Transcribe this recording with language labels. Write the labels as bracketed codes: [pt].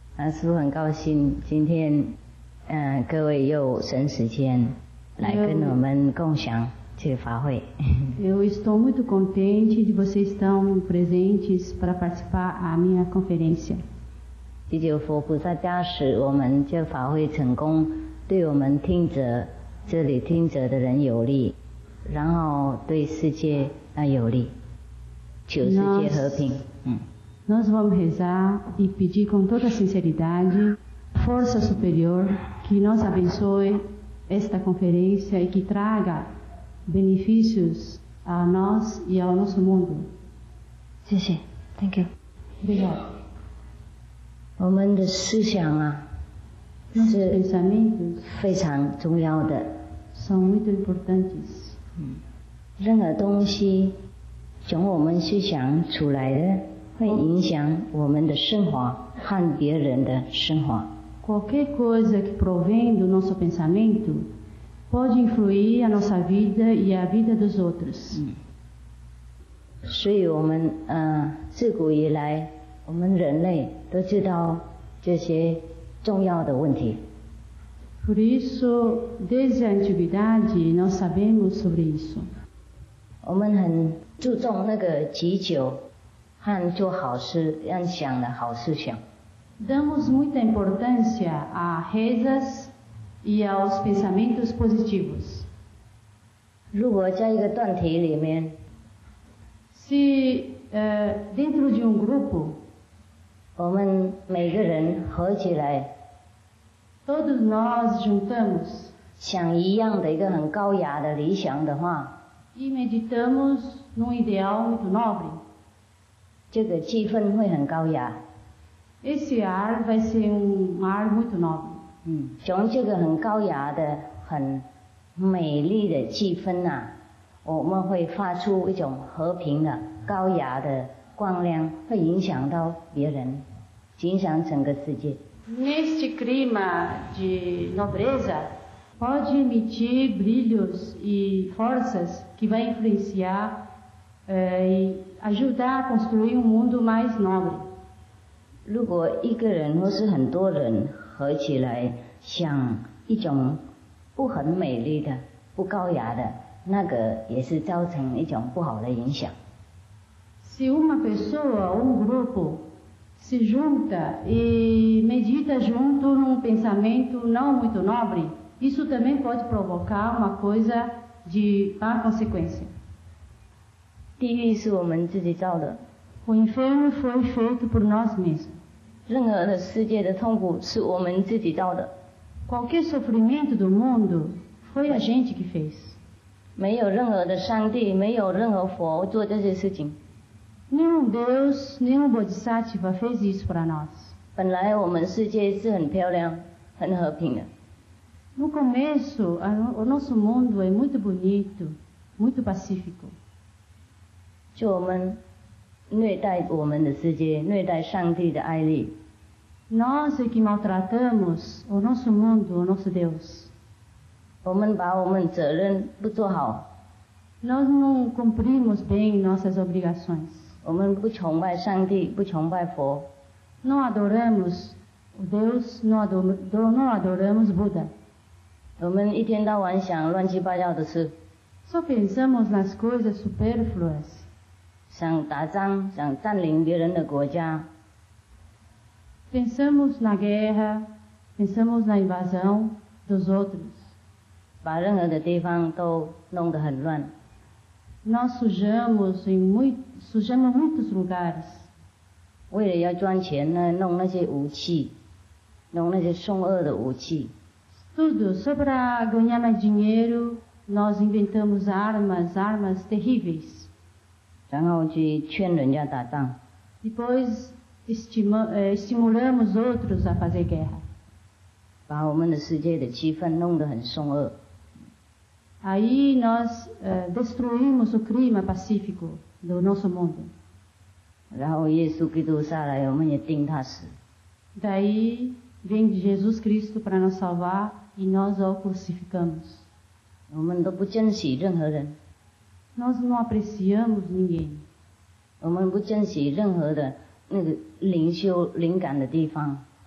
[zh] 师父很高兴今天各位又省时间来跟我们共享去法会。 [pt] Eu estou muito contente de vocês estão presentes para participar a minha conferência. [zh] 祈求佛菩萨加持我们这法会成功，对我们听者这里听者的人有利，然后对世界有利，求世界和平。 [pt] Nós vamos rezar e pedir com toda sinceridade, força superior, que nos abençoe esta conferência e que traga benefícios a nós e ao nosso mundo. [en] Thank you. [pt] Obrigado. Nossos pensamentos [zh] 非常重要的, [pt] são muito importantes. [zh] 任何东西从我们思想出来的会影响我们的生活和别人的生活。 [pt] Qualquer coisa que provém do nosso pensamento pode influir a nossa vida e a vida dos outros. [zh] 所以我们自古以来我们人类都知道这些重要的问题。 [pt] Por isso, desde a antiguidade, nós sabemos sobre isso. [zh] 我们很注重那个祈求和做好事要想的好事情。 [pt] Damos muita importância a rezas e aos pensamentos positivos. [zh] 如果在一个团体里面 [pt] dentro de um grupo, [zh] 我们每个人合起来 [pt] todos nós juntamos, [zh] 想一样的一个很高雅的理想的话 [pt] e meditamos num ideal muito nobre, [zh] 这个气氛会很高雅。 [pt] Esse ar vai ser um ar muito nobre. [zh] 从这个很高雅的、很美丽的气氛啊，我们会发出一种和平的、高雅的光亮，会影响到别人，影响整个世界。 [pt] Neste clima de nobreza, pode emitir brilhos e forças que vai influenciar e ajudar a construir um mundo mais nobre. [zh] 如果一个人或是很多人合起来想一种不很美丽的、不高雅的，那个也是造成一种不好的影响。 [pt] Se uma pessoa ou um grupo se junta e medita junto num pensamento não muito nobre, isso também pode provocar uma coisa de má consequência. [zh] 地狱是我们自己造的。 [pt] O inferno foi feito por nós mesmos. [zh] 任何的世界的痛苦是我们自己造的。 [pt] Qualquer sofrimento do mundo foi a gente que fez. [zh] 没有任何的上帝，没有任何佛做这些事情。 [pt] Nenhum Deus, nenhum Bodhisattva fez isso para nós. [zh] 本来我们世界是很漂亮，很和平的。 [pt] No começo, o nosso mundo é muito bonito, muito pacífico. [zh] 就我们虐待我们的世界，虐待上帝的爱力。 [pt] Nós é que maltratamos o nosso mundo, o nosso Deus. [zh] 我们把我们责任不做好。 [pt] Nós não cumprimos bem nossas obrigações. [zh] 我们不崇拜上帝，不崇拜佛。 [pt] Não adoramos o Deus, não adoramos Buda. [zh] 我们一天到晚想乱七八糟的事。 [pt] Só pensamos nas coisas superfluas. [zh] 想打仗，想占领别人的国家。 [pt] Pensamos na guerra, pensamos na invasão dos outros. [zh] 把任何的地方都弄得很乱。 [pt] Nós sujamos muitos lugares. [zh] 为了要赚钱呢，弄那些武器，弄那些凶恶的武器。 [pt] Tudo só para ganhar mais dinheiro, nós inventamos armas terríveis. [zh] 然后去劝人家打仗。 [pt] Depois estimulamos outros a fazer guerra. [zh] 把我们的世界的气氛弄得很凶恶。 [pt] Aí nós destruímos o clima pacífico do nosso mundo. [zh] 然后耶稣基督下来，我们也钉他死。 [pt] Daí vem Jesus Cristo para nos salvar e nós o crucificamos. [zh] 我们都不珍惜任何人。 [pt] Nós não apreciamos ninguém. [zh] 我们不珍惜任何的那个灵修灵感的地方。